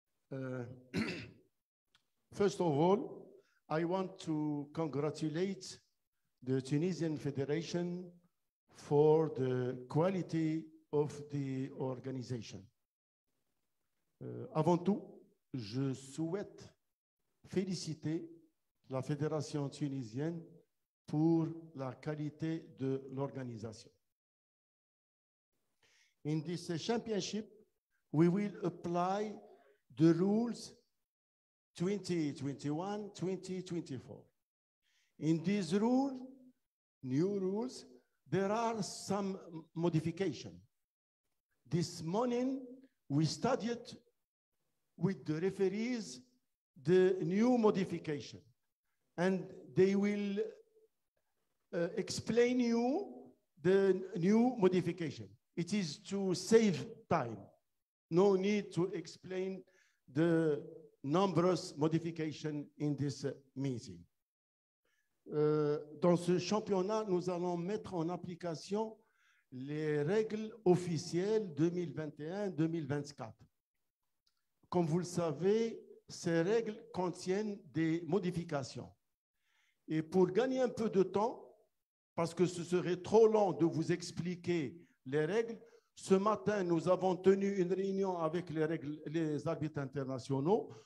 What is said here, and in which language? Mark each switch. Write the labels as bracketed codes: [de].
[en] Thank you. First of all, I want to congratulate the Tunisian Federation for the quality of the organization. [fr] Avant tout, je souhaite féliciter la Fédération tunisienne pour la qualité de l'organisation. [en] In this championship, we will apply the rules 2021-2024. In these rules, new rules, there are some modifications. This morning, we studied with the referees the new modification, and they will explain you the new modification. It is to save time. No need to explain the numerous modifications in this meeting. [fr] Dans ce championnat, nous allons mettre en application les règles officielles 2021-2024. Comme vous le savez, ces règles contiennent des modifications. Et pour gagner un peu de temps, parce que ce serait trop long de vous expliquer les règles, ce matin, nous avons tenu une réunion avec les arbitres internationaux.